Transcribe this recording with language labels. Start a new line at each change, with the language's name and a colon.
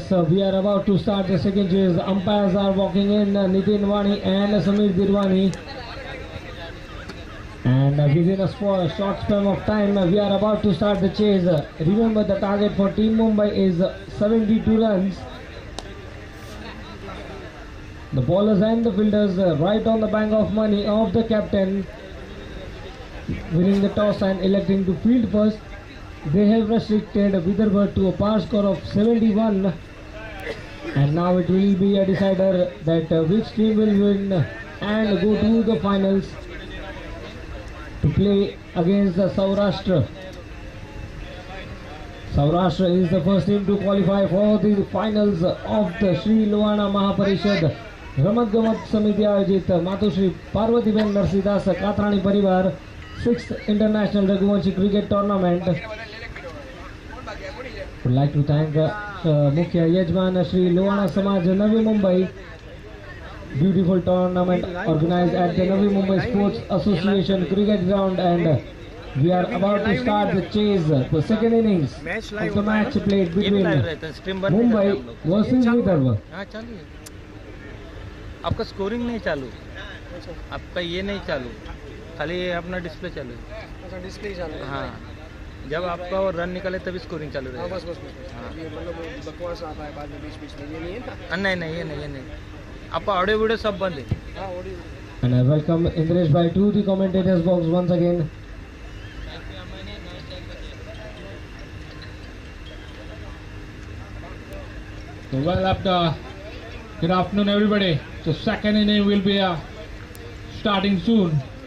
English: We are about to start the second जेज umpires are walking in Nitin Vani and Sameer दिरवानी and within a short span of time we are about to start the chase. Remember the target for team Mumbai is 72 runs. The bowlers and the fielders right on the bank of money of the captain winning the toss and electing to field first. They have restricted Vidarbha to a par score of 71 and now it will be a decider that which team will win and go to the finals to play against the Saurashtra. Saurashtra is the first team to qualify for the finals of the Sri Luwana Mahaparishad Ramat Gamat Samiti Ayojit Matushri Parvati Ben Narsidas Katrani Parivar 6th International Raghuvanshi Cricket Tournament. Would like to thank मुख्य यजमान श्री लुवाणा समाज Navi Mumbai. Beautiful tournament organised at the Navi Mumbai sports association cricket ground and We are about to start the chase, the second innings of the match played between Mumbai versus Vidarbha.
Hindi: आपका scoring नहीं चालू, आपका ये नहीं चालू, खाली अपना डिस्प्ले चालू, अच्छा डिस्प्ले ही चालू, हाँ जब आपका वो रन निकले तभी स्कोरिंग चालू रहेगा, बस बस मतलब बकवास आता है बाद में बीच बीच में, ये नहीं है ना, नहीं नहीं ये नहीं, ये नहीं आपका ऑडियो वीडियो सब बंद है, हाँ audio.
English: And I welcome Indresh bhai to the commentator's box once again. So well after, good afternoon everybody. So second inning will be starting soon.